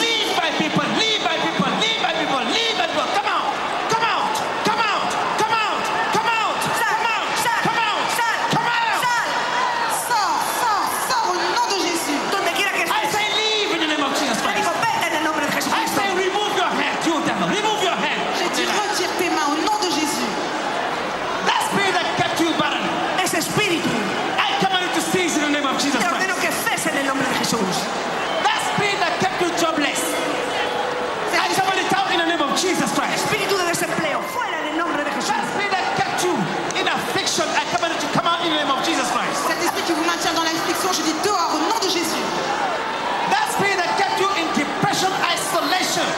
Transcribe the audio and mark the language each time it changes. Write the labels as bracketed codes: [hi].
[en] Leave my people, leave my people, leave my people, leave my people. Come out, come out, come out, come out, come out, come out, come out, come out. [fr] Sors, sors, sors au nom de Jésus. [es] Donde quiera que estés. [en] I say leave in the name of Jesus Christ. [es] En el nombre de Jesús. [en] I say remove your hand, you devil, remove your hand. [fr] J'ai dit retire tes mains au nom de Jésus. [en] That spirit that kept you barren. [es] Ese espíritu. [en] I command it to cease in the name of Jesus Christ. [es] En el nombre de Jesús. [en] That spirit that kept you jobless. I command it out in the name of Jesus Christ. [es] Espíritu de desempleo, fuera en el nombre de Jesús. [en] That spirit that kept you in affliction, I command it to come out in the name of Jesus Christ. [fr] Cet esprit qui vous maintient dans l'affliction, je dis dehors au nom de Jésus. [en] That spirit that kept you in depression, isolation.